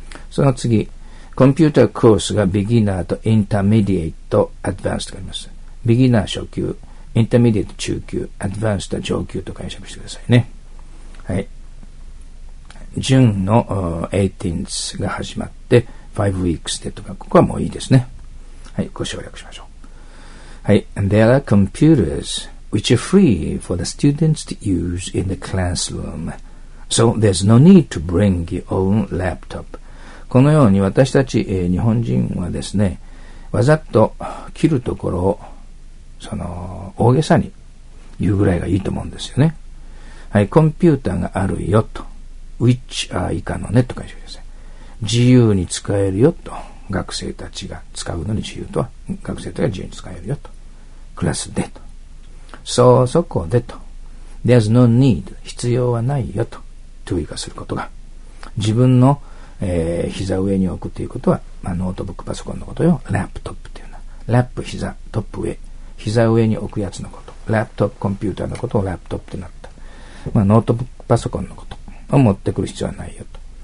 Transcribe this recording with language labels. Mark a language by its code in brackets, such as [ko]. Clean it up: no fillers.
[ja] その次、コンピューターコースが beginner と intermediate と advanced があります。 beginner 初級、intermediate 中級、advanced 上級と解釈してくださいね。はい。 June の 18th が始まって 5 weeks でとか、ここはもういいですね。はい、ご省略しましょう。 [en] はい、There are computers which are free for the students to use in the classroom. So there's no need to bring your own laptop. [ja] このように私たち、日本人はですね、わざと切るところをその大げさに言うぐらいがいいと思うんですよね。はい、コンピューターがあるよと、 which are 以下のねと書いてください。自由に使えるよと、学生たちが使うのに自由とは、学生たちが自由に使えるよと、クラスでと、そうそこでと、 there's no need、必要はないよと、 to 以下することが、自分の、膝上に置くということは、まあ、ノートブックパソコンのことよ、ラップトップというのは、ラップ膝、トップ上、膝上に置くやつのこと、ラップトップコンピューターのことをラップトップとなった、まあ、ノートブックパソコンのことを持ってくる必要はないよと。